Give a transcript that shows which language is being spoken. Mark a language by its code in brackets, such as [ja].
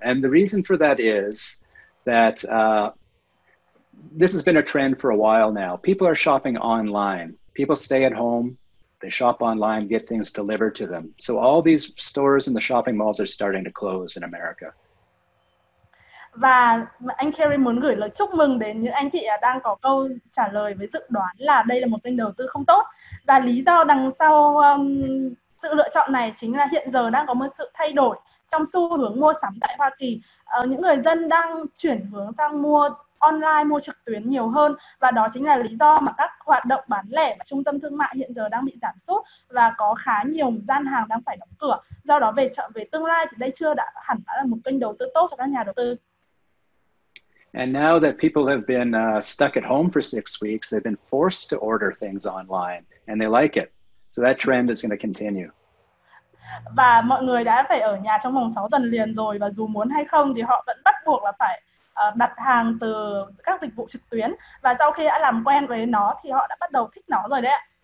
[en] And the reason for that is that this has been a trend for a while now. People are shopping online. People stay at home. They shop online, get things delivered to them. So all these stores and the shopping malls are starting to close in America. [vi] Và anh Carey muốn gửi lời chúc mừng đến những anh chị đang có câu trả lời với dự đoán là đây là một kênh đầu tư không tốt. Và lý do đằng sau sự lựa chọn này chính là hiện giờ đang có một sự thay đổi trong xu hướng mua sắm tại Hoa Kỳ. Những người dân đang chuyển hướng sang mua online, mua trực tuyến nhiều hơn. Và đó chính là lý do mà các hoạt động bán lẻ và trung tâm thương mại hiện giờ đang bị giảm sút và có khá nhiều gian hàng đang phải đóng cửa. Do đó về tương lai thì đây chưa đã hẳn đã là một kênh đầu tư tốt cho các nhà đầu tư. [en] And now that people have been stuck at home for 6 weeks, they've been forced to order things online, and they like it. So that trend is going to continue. [vi] Và mọi người đã phải ở nhà trong vòng 6 tuần liền rồi, và dù muốn hay không thì họ vẫn bắt buộc là phải đặt hàng từ các dịch vụ trực tuyến. Và sau khi đã làm quen với nó thì họ đã bắt đầu thích nó rồi đấy ạ.